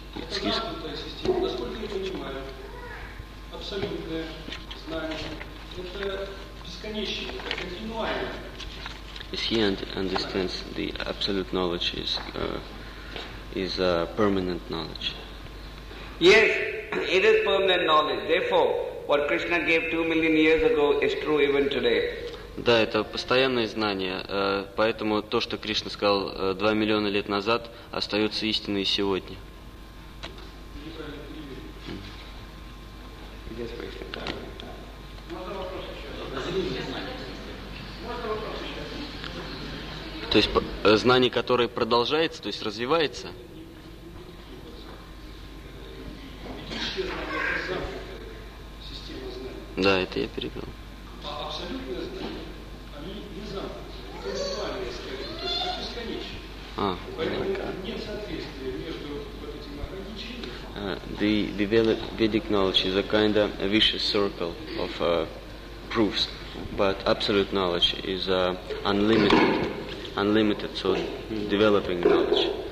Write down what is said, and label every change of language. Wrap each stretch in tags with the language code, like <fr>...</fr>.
<ru>Замкнутая система, насколько я понимаю, абсолютное знание, это бесконечное, континуальное.</ru> <en>Is he understands the absolute knowledge is a permanent knowledge? Yes, it is permanent knowledge. Therefore, what Krishna gave 2 million years ago is true even today.</en> <ru>Да, это постоянное знание. Поэтому то, что Кришна сказал 2 миллиона лет назад, остается истиной и сегодня. То есть знание, которое продолжается, то есть развивается. Да, это я перебил. А абсолютное знание, оно не замкнутое, это бесконечное, бесконечное. Поэтому нет соответствия между вот этими ограничениями.</ru> <en>the Vedic knowledge is a kind of a vicious circle of proofs, but absolute knowledge is unlimited, so developing knowledge.</en>